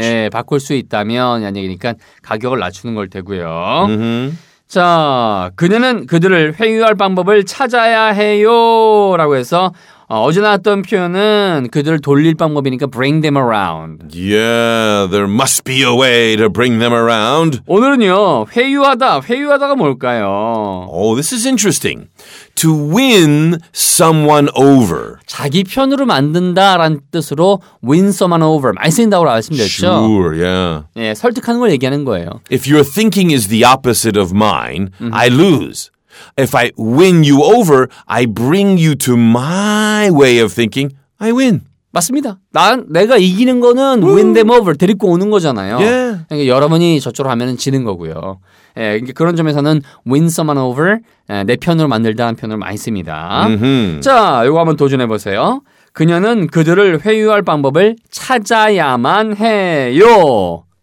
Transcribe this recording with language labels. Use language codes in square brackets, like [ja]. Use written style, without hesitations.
[ko] 예, 바꿀 수 있다면, 이런 얘기니까 가격을 낮추는 걸 테고요. Mm-hmm. 자, 그녀는 그들을 회유할 방법을 찾아야 해요. 라고 해서 어제 나왔던 표현은 그들을 돌릴 방법이니까 [en] bring them around. Yeah, there must be a way to bring them around. [ko] 오늘은요, 회유하다. 회유하다가 뭘까요? [en] Oh, this is interesting. To win someone over. [ko] 자기 편으로 만든다라는 뜻으로 [en] win someone over. [ko] 많이 쓰인다고 말씀드렸죠? [en] Sure, yeah. [ko] 예, 설득하는 걸 얘기하는 거예요. [en] If your thinking is the opposite of mine, mm-hmm. I lose. If I win you over, I bring you to my way of thinking, I win. [ko] 맞습니다. 내가 이기는 거는 Woo. [en] win them over, [ko] 데리고 오는 거잖아요. [en] Yeah. [ko] 그러니까 여러분이 저쪽으로 하면 지는 거고요. 예, 그러니까 그런 점에서는 [en] win someone over, [ko] 예, 내 편으로 만들다는 편으로 많이 씁니다. Mm-hmm. 자, 이거 한번 도전해보세요. 그녀는 그들을 회유할 방법을 찾아야만 해요.